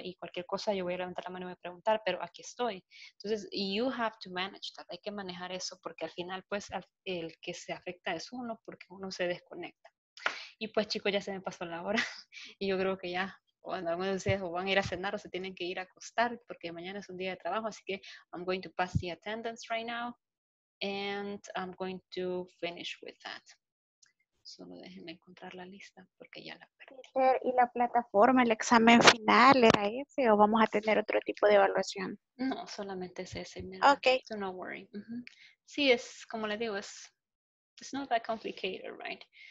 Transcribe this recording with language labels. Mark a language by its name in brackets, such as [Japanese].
[Spanish] Y cualquier cosa, yo voy a levantar la mano y voy a preguntar, pero aquí estoy. Entonces, [English] you have to manage that. [Spanish] Hay que manejar eso porque al final, pues, el que se afecta es uno porque uno se desconecta. Y pues, chicos, ya se me pasó la hora. Y yo creo que ya... Bueno, algunos de ustedes o van a ir a cenar o se tienen que ir a acostar porque mañana es un día de trabajo. Así que [English] I'm going to pass the attendance right now and I'm going to finish with that. [Spanish] Solo déjenme encontrar la lista porque ya la perdí. ¿Y la plataforma, el examen final era ese o vamos a tener otro tipo de evaluación? No, solamente es ese. Mira. Ok. [English] So no worry. [Spanish] Sí, es como le digo, [English] it's not that complicated, right?